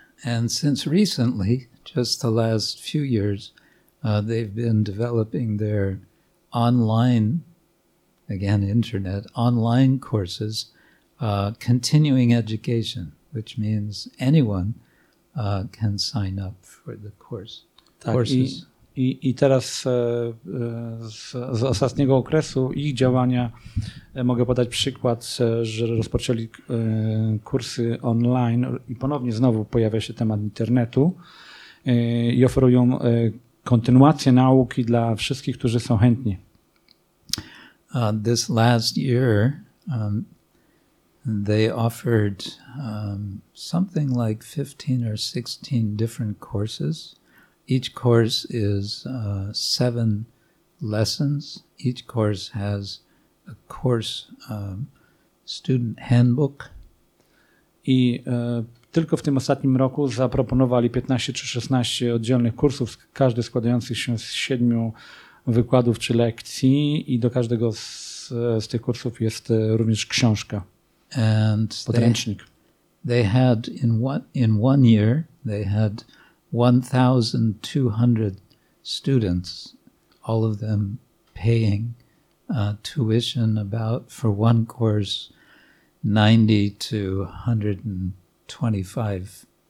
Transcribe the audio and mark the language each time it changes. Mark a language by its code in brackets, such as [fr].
[en] And since recently, just the last few years, they've been developing their online, again internet, online courses, continuing education. Which means anyone can sign up for the course. [pl] Tak, i teraz z ostatniego okresu ich działania mogę podać przykład, że rozpoczęli kursy online i ponownie znowu pojawia się temat internetu i oferują kontynuację nauki dla wszystkich, którzy są chętni. [en] This last year they offered something like 15 or 16 different courses. Each course is 7 lessons. Each course has a course student handbook. [pl] I tylko w tym ostatnim roku zaproponowali 15 czy 16 oddzielnych kursów, każdy składający się z 7 wykładów czy lekcji i do każdego z tych kursów jest również książka. [en] And they had in one year they had 1,200 students, all of them paying tuition about for one course £90 to £125.